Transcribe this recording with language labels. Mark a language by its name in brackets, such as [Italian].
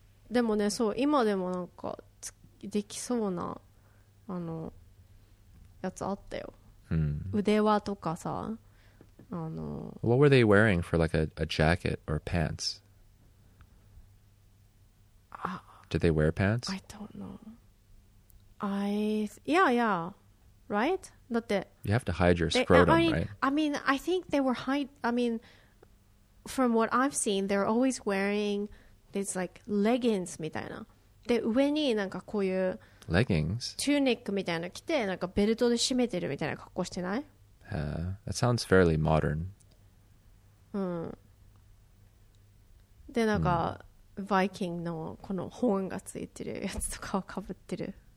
[Japanese] でもね、そう、今でもなんかできそうなあのやつあったよ。腕輪とかさ、あの。 [English] What were they wearing for like a jacket or pants? Did they wear pants? I don't know. Yeah, right? You have to hide your scrotum, right? I mean, I think they were from what I've seen, they're always wearing these like leggings [Japanese] みたいな。で、上になんかこういう [English] leggings? [Japanese] チューニックみたいな着て、なんかベルトで締めてるみたいな格好してない? [English] That sounds fairly modern. [Japanese] で、なんか、バイキングのこのホーンがついてるやつとかをかぶってる。